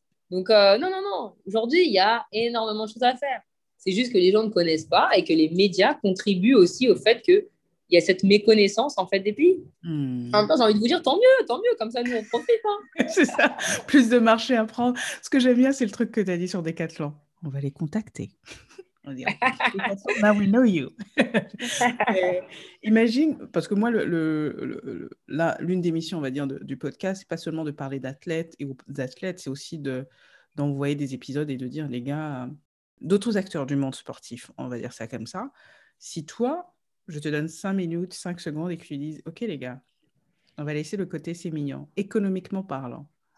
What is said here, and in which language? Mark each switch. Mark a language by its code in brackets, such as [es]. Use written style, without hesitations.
[fr] Donc non, aujourd'hui, il y a énormément de choses à faire. C'est juste que les gens ne connaissent pas et que les médias contribuent aussi au fait qu'il y a cette méconnaissance en fait des pays. En même temps, j'ai envie de vous dire tant mieux, comme ça nous on profite. Hein. C'est ça, plus de marché à prendre. Ce que j'aime bien, c'est le truc que tu as dit sur Decathlon. On va les contacter. On dirait, [en] now we know you. [fr] Imagine, parce que moi, l'une des missions, on va dire, du podcast, c'est pas seulement de parler d'athlètes et d'athlètes, c'est aussi d'envoyer des épisodes et de dire, les gars, d'autres acteurs du monde sportif, on va dire ça comme ça. Si toi, je te donne 5 minutes, 5 secondes et que tu dises, OK, les gars, on va laisser le côté, c'est mignon, économiquement parlant.